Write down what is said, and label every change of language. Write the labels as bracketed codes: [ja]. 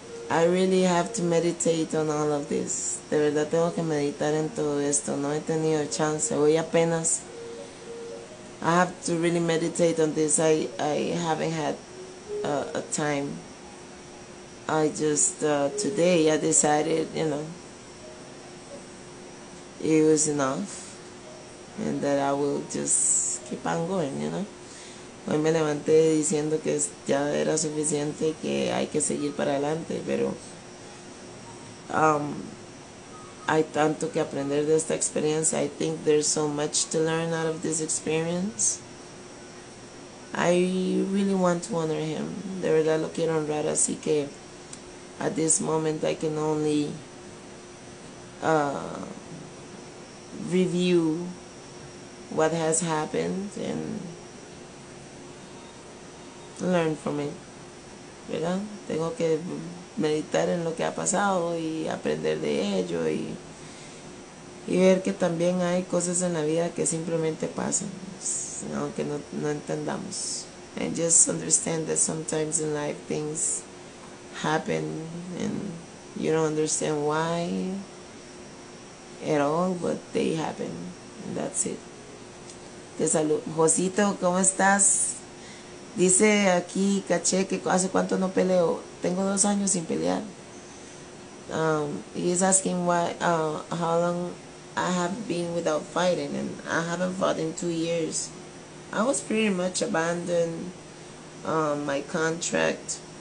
[en] I really have to meditate on all of this. [es] De verdad tengo que meditar en todo esto. No he tenido chance. Hoy apenas. [en] I have to really meditate on this. I haven't had a time. I just, today I decided, you know, it was enough. And that I will just keep on going, you know. [es] Hoy me levanté diciendo que ya era suficiente, que hay que seguir para adelante, pero hay tanto que aprender de esta experiencia. [en] I think there's so much to learn out of this experience. I really want to honor him. [es] De verdad lo quiero honrar, así que [en] at this moment I can only review what has happened and learn from it, ¿verdad? [es] Tengo que meditar en lo que ha pasado y aprender de ello y ver que también hay cosas en la vida que simplemente pasan, aunque no entendamos. [en] And just understand that sometimes in life things happen and you don't understand why at all, but they happen, and that's it. [es] Te saludo. Josito, ¿cómo estás? Dice aquí, caché, que hace cuánto no peleo. Tengo 2 años sin pelear. [en] He's asking why, how long I have been without fighting, and I haven't fought in 2 years. I was pretty much abandoned, my contract.